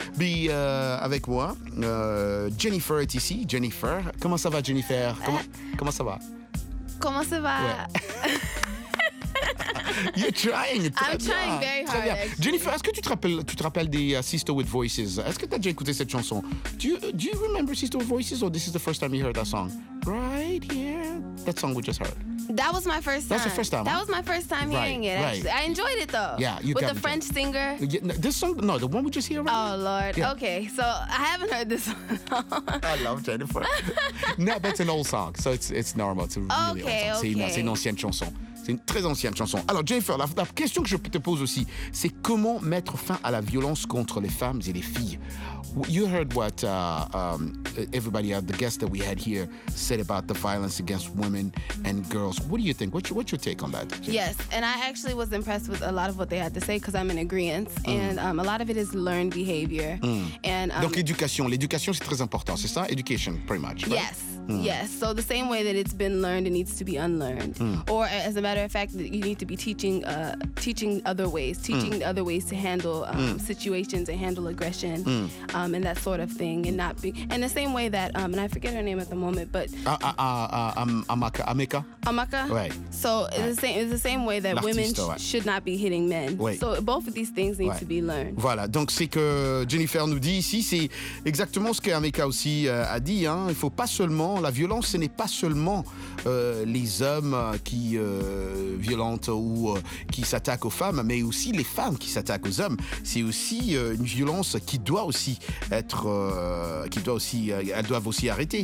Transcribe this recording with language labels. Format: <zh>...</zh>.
<fr>Mais avec moi, Jennifer est ici. Jennifer, comment ça va, Jennifer? Comment ça va? Comment ça va?</fr> <en>Ouais. You're trying. I'm trying very hard.</en> <fr>Jennifer, est-ce que tu te rappelles des Sister With Voices? Est-ce que tu as déjà écouté cette chanson?</fr> <en>Do you remember Sister With Voices, or this is the first time you heard that song? Right here. That song we just heard. That was my first time. That's the first time. That was my first time hearing it. Actually, I enjoyed it though. Yeah, you got it. With the French singer. Yeah, no, this song, no, the one we just hear right now. Oh Lord. Yeah. Okay, so I haven't heard this song. I love Jennifer. No, but it's an old song, so it's normal. It's a really old song. Okay.</en> <fr>C'est une ancienne chanson. C'est une très ancienne chanson. Alors Jennifer, la question que je te pose aussi, c'est comment mettre fin à la violence contre les femmes et les filles.</fr> <en>You heard what everybody, the guest that we had here, said about the violence against women and girls. What do you think? What's your take on that? Yes, and I actually was impressed with a lot of what they had to say because I'm in agreement. Mm. And a lot of it is learned behavior. Mm. And</en> <fr>Donc éducation. L'éducation, c'est très important, c'est ça?</fr> <en>Education, pretty much, right? Yes. Mm. Yes, so the same way that it's been learned, it needs to be unlearned. Mm. Or as a matter of fact, you need to be teaching other ways to handle situations and handle aggression and that sort of thing. And not be in the same way that, and I forget her name at the moment, but... Amaka? Right. So it's the same way that women should not be hitting men.</en> <fr>Ouais.</fr> <en>So both of these things need to be learned.</en> <fr>Voilà, donc c'est que Jennifer nous dit ici, c'est exactement ce qu'Amaka aussi a dit. Hein. Il ne faut pas seulement... La violence, ce n'est pas seulement les hommes qui violentent ou qui s'attaquent aux femmes, mais aussi les femmes qui s'attaquent aux hommes. C'est aussi une violence qui doit aussi être, elles doivent aussi arrêter.</fr>